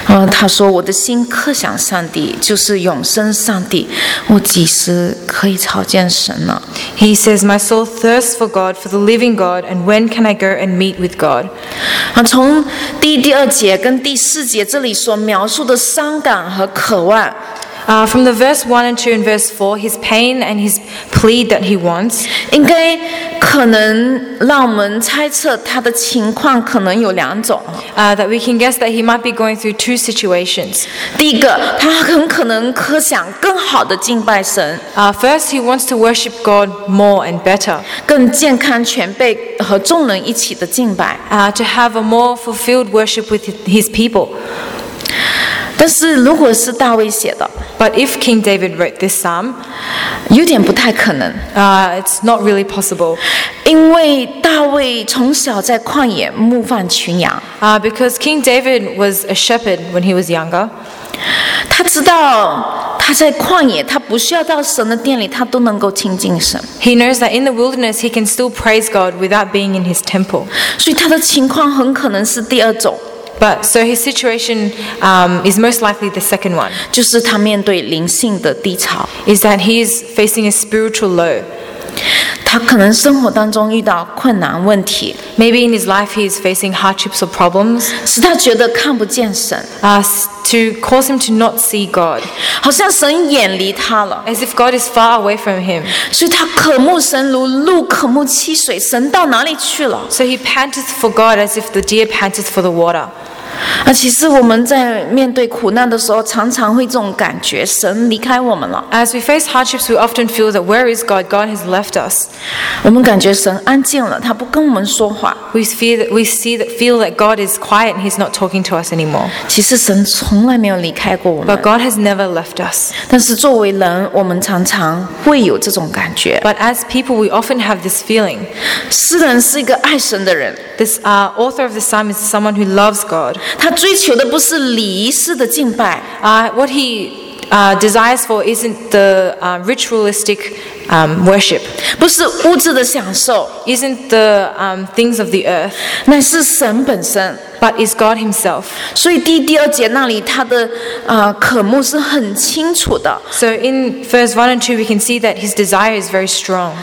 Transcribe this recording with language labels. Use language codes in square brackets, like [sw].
[zh] 他说我的心刻想上帝，就是永生上帝，我几时可以朝见神呢？ [en] He says, my soul thirsts for God, for the living God, and when can I go and meet with God? [zh] 从第二节跟第四节这里所描述的伤感和渴望。 [en] From the verse 1 and 2 and verse 4, his pain and his plea that he wants, [zh] 应该可能让我们猜测他的情况可能有两种。 [en] That we can guess that he might be going through two situations. [zh] 第一个，他很可能可想更好的敬拜神。 [en] First, he wants to worship God more and better. [zh] 更健康全备和众人一起的敬拜。 [en] To have a more fulfilled worship with his people. [zh] 但是如果是大卫写的 [en] But if King David wrote this psalm, [zh] 有点不太可能。 [en] It's not really possible. [zh] 因为大卫从小在旷野牧放群羊。 [en] Because King David was a shepherd when he was younger. [zh] 他知道他在旷野，他不需要到神的殿里，他都能够亲近神。 [en] He knows that in the wilderness he can still praise God without being in his temple. [zh] 所以他的情况很可能是第二种。 [en] But so his situation is most likely the second one. [zh] 就是他面对灵性的低潮。 [en] Is that he is facing a spiritual low. [zh] 他可能生活当中遇到困难问题。 [en] Maybe in his life he is facing hardships or problems. [zh] 使他觉得看不见神。 [en] To cause him to not see God. [zh] 好像神远离他了。 [en] As if God is far away from him. [zh] 所以他渴慕神如鹿渴慕溪水，神到哪里去了？ [en] So he panteth for God as if the deer panteth for the water. [zh] 其实我们在面对苦难的时候，常常会这种感觉，神离开我们了。 [en] As we face hardships, we often feel that where is God? God has left us. [zh] 我们感觉神安静了，他不跟我们说话。 [en] We feel that God is quiet and he's not talking to us anymore. [zh] 其实神从来没有离开过我们。 [en] But God has never left us. [zh] 但是作为人，我们常常会有这种感觉。 [en] But as people, we often have this feeling. [zh] 诗人是一个爱神的人。 [en] This author of the psalm is someone who loves God. [zh] 他追求的不是礼仪式的敬拜。 [en] What he desires for isn't the ritualistic worship. [zh] 不是物质的享受。 [en] Isn't the things of the earth. [zh] 乃是神本身。 [en] But is God himself. [zh] 所以第二节那里他的渴慕是很清楚的。 [en] So in verse 1 and 2 we can see that his desire is very strong.